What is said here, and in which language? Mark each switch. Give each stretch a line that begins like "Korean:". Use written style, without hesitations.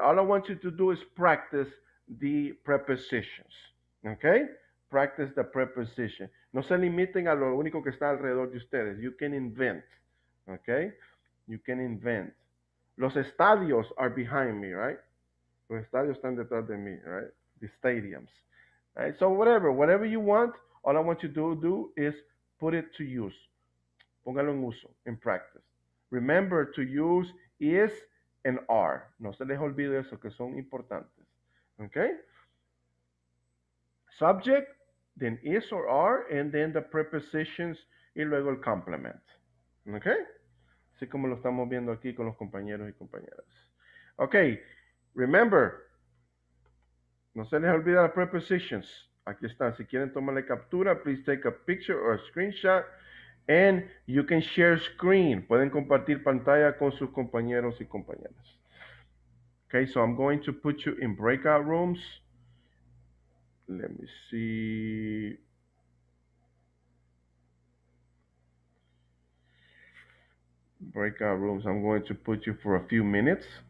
English: All I want you to do is practice the prepositions, okay? Practice the preposition.
Spanish: No se limiten a lo único que está alrededor de ustedes.
English: You can invent, okay? You can invent.
Spanish: Los estadios
English: are behind me, right?
Spanish: Los estadios están detrás de mí,
English: right? The stadiums, right? So whatever you want, all I want you to do is put it to use.
Spanish: Póngalo en uso,
English: in practice. Remember to use is and are.
Spanish: No se les olvide eso, que son importantes. Okay?
English: Subject, then is or are, and then the prepositions,
Spanish: y luego el
English: complement. Okay?
Spanish: Así como lo estamos viendo aquí con los compañeros y compañeras.
English: Okay, remember,
Spanish: no se les olvide las prepositions. Aquí están. Si quieren tomarle captura,
English: please take a picture or a screenshot. And you can share screen.
Spanish: Pueden compartir pantalla con sus compañeros y compañeras.
English: Okay, so I'm going to put you in breakout rooms. Let me see. Breakout rooms. I'm going to put you for a few minutes.